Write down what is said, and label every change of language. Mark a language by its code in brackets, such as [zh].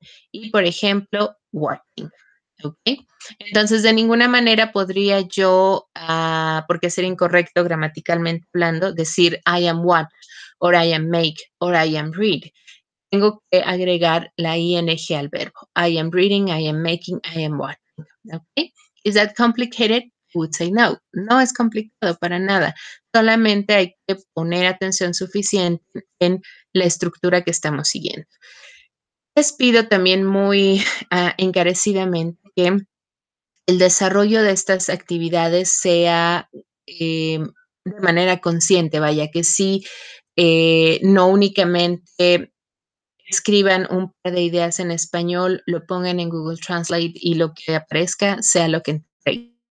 [es] Y, por ejemplo, watching. ¿Okay? Entonces, de ninguna manera podría yo, porque sería incorrecto gramaticalmente hablando, decir [en] I am what, or I am make, or I am read. [es] Tengo que agregar la ing al verbo. [en] I am reading, I am making, I am watching. ¿Okay? Is that complicated? I would say no. [es] No es complicado para nada. Solamente hay que poner atención suficiente en la estructura que estamos siguiendo. Les pido también muy encarecidamente que el desarrollo de estas actividades sea de manera consciente, vaya, que sí, no únicamente escriban un par de ideas en español, lo pongan en Google Translate y lo que aparezca sea lo que entreguen.